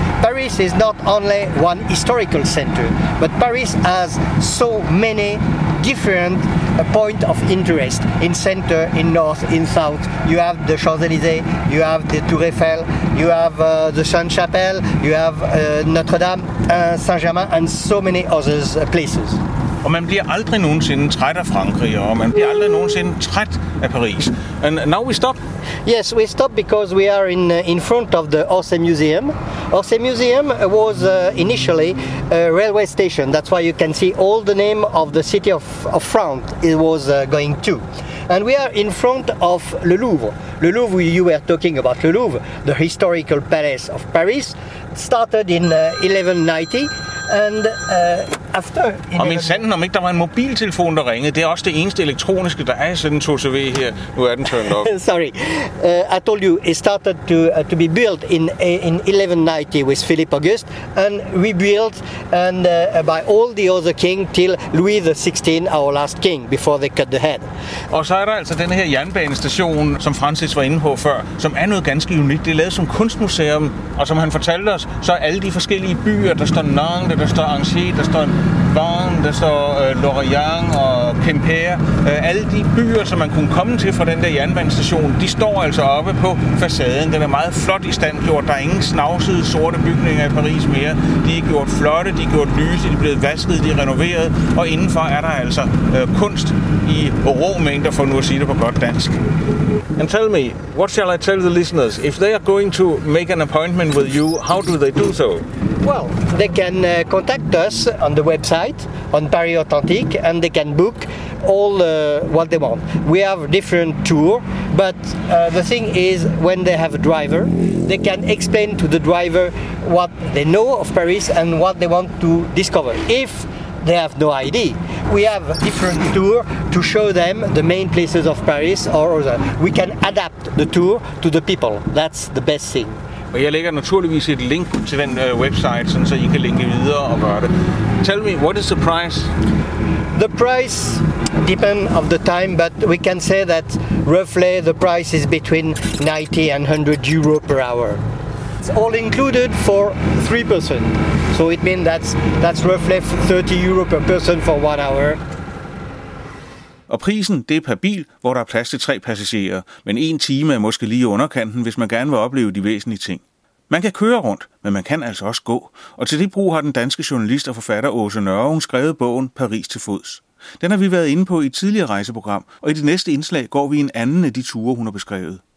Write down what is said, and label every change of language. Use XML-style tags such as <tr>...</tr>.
<en>Paris is not only one historical center, but Paris has so many different points of interest in center, in north, in south. You have the Champs-Élysées, you have the Tour Eiffel, you have the Sainte-Chapelle, you have Notre-Dame, Saint-Germain and so many other places.</en> <da>Og man bliver aldrig nogensinde træt af Frankrig, og man bliver aldrig nogensinde træt af Paris.</da> <en>And now we stop. Yes, we stop because we are in front of the Orsay Museum. Orsay Museum was initially a railway station. That's why you can see all the name of the city of France it was going to. And we are in front of Le Louvre. Le Louvre, you were talking about Le Louvre, the historical palace of Paris, started in 1190. And after.</en> <da>Og min sanden, om ikke der var en mobiltelefon, der ringede. Det er også det eneste elektroniske, der er i sådan en 2CV her. Nu er den</da> <en>turned off. Sorry. I told you, it started to be built in 1190 with Philip August, and rebuilt and by all the other king till Louis the 16th, our last king, before they cut the head.</en> <da>Og så er der altså den her jernbanestation, som Francis var inde på før, som er noget ganske unikt. Det er lavet som kunstmuseum, og som han fortalte os, så er alle de forskellige byer, der står Nantes, der står Angers, der står Vannes, der står Lorient og Quimper, alle de byer, som man kunne komme til fra den der jernbanestation, de står altså oppe på facaden. Den er meget flot i stand gjort. Der er ingen snavsede sorte bygninger i Paris mere. De er gjort flotte, de er gjort lyse, de er blevet vasket, de er renoveret, og indenfor er der altså kunst i rå mængder, for nu at sige det på godt dansk.</da> <en>And tell me, what shall I tell the listeners? If they are going to make an appointment with you, how do they do so? Well, they can contact us on the website, on Paris Authentique, and they can book all what they want. We have different tour, but the thing is, when they have a driver, they can explain to the driver what they know of Paris and what they want to discover. If they have no idea, we have a different tour to show them the main places of Paris or other. We can adapt the tour to the people. That's the best thing.</en> <da>Og jeg lægger naturligvis et link til den website, sådan så I kan linke videre og gøre det.</da> <en>Tell me, what is the price? The price depends of the time, but we can say that roughly the price is between 90 and 100 euro per hour. It's all included for 3 persons. So it means that's roughly 30 euro per person for 1 hour.</en> <da>Og prisen, det er per bil, hvor der er plads til 3 passagerer, men 1 time er måske lige underkanten, hvis man gerne vil opleve de væsentlige ting. Man kan køre rundt, men man kan altså også gå, og til det brug har den danske journalist og forfatter Åse Nørrung skrevet bogen Paris til fods. Den har vi været inde på i et tidligere rejseprogram, og i det næste indslag går vi en anden af de ture, hun har beskrevet.</da>